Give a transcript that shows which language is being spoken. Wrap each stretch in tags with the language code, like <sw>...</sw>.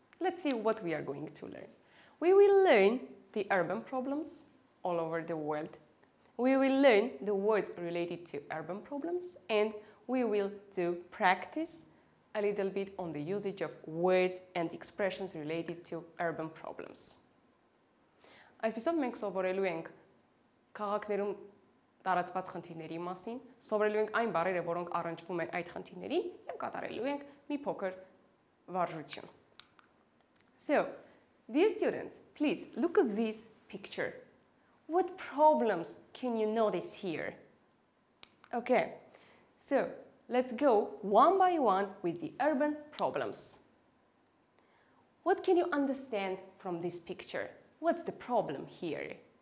<en>Let's see what we are going to learn. We will learn the urban problems all over the world. We will learn the words related to urban problems and we will do practice a little bit on the usage of words and expressions related to urban problems.</en> <hy>Այս պիսով մենք սովորելու ենք քաղաքներում տարածված խնդիրների մասին, սովորելու ենք այն բառերը, որոնք առնչվում են այդ խնդիրներին եւ կատարելու ենք մի փոքր վարժություն.</hy> <en>So, dear students, please look at this picture. What problems can you notice here? Okay. So, let's go one by one with the urban problems. What can you understand from this picture? What's the problem here?</en>